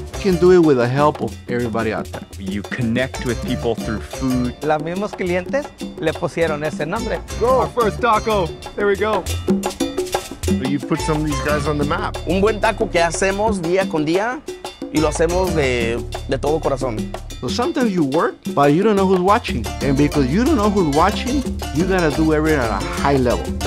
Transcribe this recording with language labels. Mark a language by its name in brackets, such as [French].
[English] Can do it with the help of everybody out there. You connect with people through food. [Spanish] Los mismos clientes le pusieron ese nombre. [English] Go. Our first taco. There we go. But you put some of these guys on the map. [Spanish] Un buen taco que hacemos día con día y lo hacemos de todo corazón. [English] So sometimes you work, but you don't know who's watching. And because you don't know who's watching, you gotta do everything at a high level.